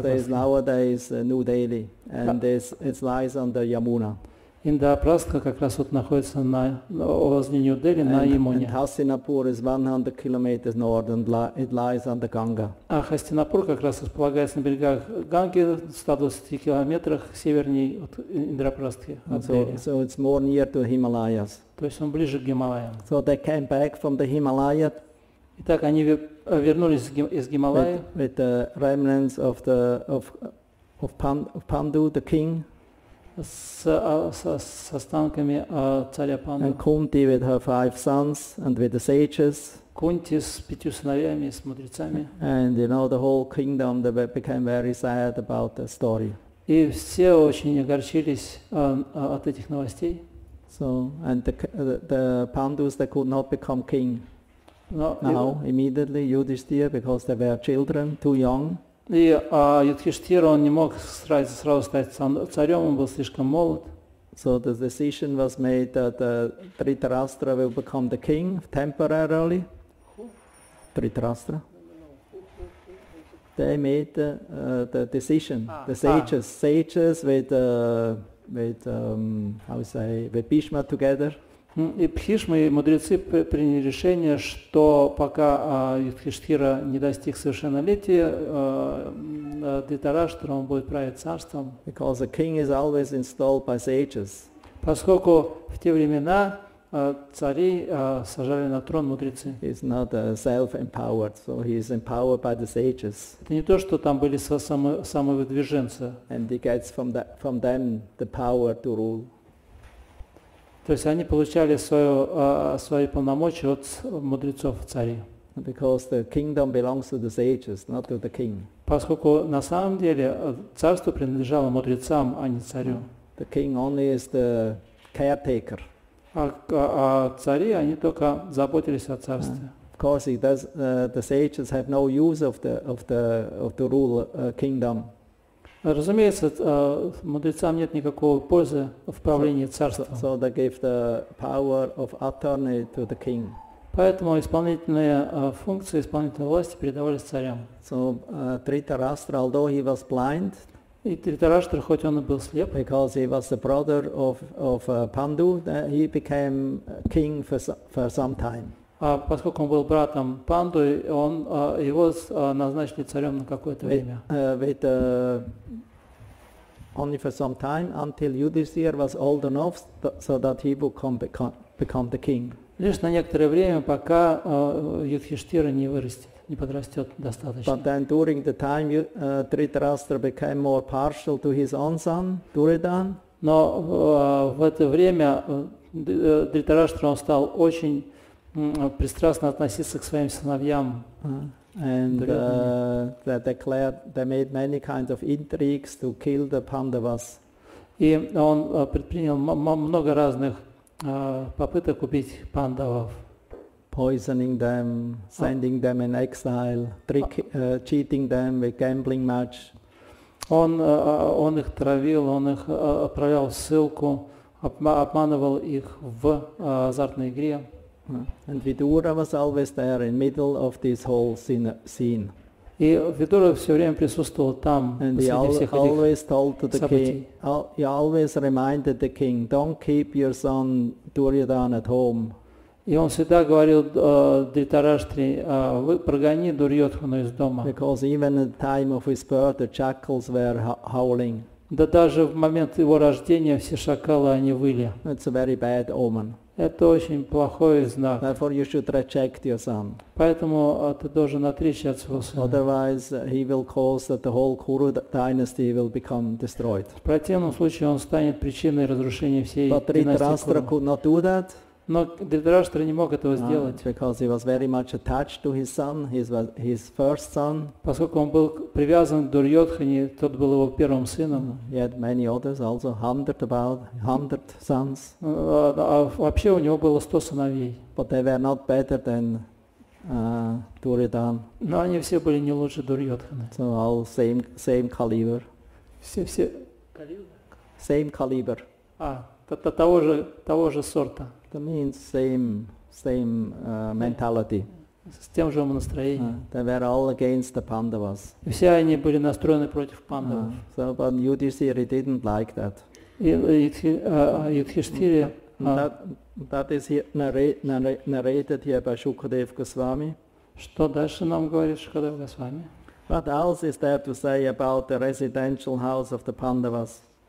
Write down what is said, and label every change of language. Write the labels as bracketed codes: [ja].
[en] And Indraprastha is nowadays New Delhi, and it lies on the Yamuna. [ru] Индрапрастха как раз вот находится на возле Нью-Дели на Ямуне. [en] And Hastinapur is 100 kilometers north and it lies on the Ganga. [ru] А Хастинапур как раз располагается на берегах Ганги, 120 километрах севернее от Индрапрастхи. [en] So it's more near to Himalayas. [ru] То есть он ближе к Гималаям. [en] So they came back from the Himalaya. [ru] Итак, они вернулись из Гималая. [en] With the remnants of the of Pandu, the king. [ru] С останками царя Панду. [en] And Kunti with her five sons and with the sages. [ru] Кунти с пятью сыновьями, с мудрецами. [en] And you know the whole kingdom they became very sad about the story. [ru] И все очень огорчились от этих новостей. [en] So and the Pandus they could not become king. No, now immediately Yudhishthira because they were children too young. [ru] И Юдхиштхира он не мог сразу стать царем, он был слишком молод. [en] So the decision was made that Dhritarashtra will become the king temporarily. Dhritarashtra. They made the decision. The sages, sages with Bhishma together. [ru] И Бхишма и мудрецы приняли решение, что пока Юдхиштхира не достиг совершеннолетия, Дхритарашта, он будет править царством. [en] Because the king is always installed by sages. [ru] Поскольку в те времена цари сажали на трон мудрецы. [en] He's not self-empowered, so he is empowered by the sages. [ru] Это не то, что там были самовыдвиженцы. [en] And he gets from them the power to rule. [ru] То есть они получали свои полномочия от мудрецов царей. [en] Because the kingdom belongs to the sages, not to the king. [ru] Поскольку на самом деле царство принадлежало мудрецам, а не царю. [en] The king only is the caretaker. [ru] А цари они только заботились о царстве. [en] Of course, the sages have no use of the rule kingdom. [ru] Разумеется, мудрецам нет никакого пользы в правлении царством. [en] So they gave the power of attorney to the king. [ru] Поэтому исполнительные функции, исполнительные власти передавались царям. [en] So Dhritarashtra, although he was blind, [ru] и Дхритарашта, хоть он и был слеп, [en] because he was the brother of Pandu, he became king for some time. [ru] А поскольку он был братом Панду, он его назначили царем на какое-то время. [en] Only for some time until Yudhishthira was old enough so that he would become the king. [ru] Лишь на некоторое время, пока Юдхиштхира не вырастет, не подрастет достаточно. [en] But then during the time Дхритарастра became more partial to his own son, Дуридан. [ru] Но в это время Дхритарастра стал очень пристрастно относиться к своим сыновьям. [en] And they declared, they made many kinds of intrigues to kill the Pandavas. [ru] И он предпринял много разных попыток убить пандавов. [en] Poisoning them, sending them in exile, cheating them with gambling match. [ru] Он их травил, он их отправлял в ссылку, обманывал их в азартной игре. [en] And Vidura was always there in the middle of this whole scene. [ru] И Видура все время присутствовал там, среди всех этих событий. [en] He always reminded the king, don't keep your son Duryodhana at home. [ru] И он всегда говорил Дхритараштре, вы прогони Дурьотхану из дома. [en] Because even at the time of his birth, the jackals were howling. [ru] Да даже в момент его рождения все шакалы, они выли. [en] It's a very bad omen. [ru] Это очень плохой знак. [en] Therefore you should reject your son. [ru] Поэтому ты должен отречься от своего сына. [en] Otherwise he will cause that the whole Kuru dynasty will become destroyed. [ru] В противном случае он станет причиной разрушения всей династии Куру. [en] But Дхритарастра could not do that. [ru] Но Дхритарастра не мог этого сделать. [en] Because he was very much attached to his son, his first son. [ru] Поскольку он был привязан к Дурьотхане, тот был его первым сыном. [en] He had many others also, hundred sons. [ru] А вообще у него было 100 сыновей. [en] But they were not better than Duryodhana. [ru] Но они все были не лучше Дурьотхана. [en] So all same caliber. [ru] Все. [en] Same caliber. [ru] Того же сорта. [en] That means same mentality. [ru] С тем же настроением. [en] They were all against the Pandavas. [ru] И все они были настроены против Пандавов. [en] So, but Yudhishthira didn't like that. Yudhishthira. That is here narrated here by Shukadev Goswami. [ru] Что дальше нам говорит Шукадев Госвами? [en] What else is there to say about the residential house of the Pandavas?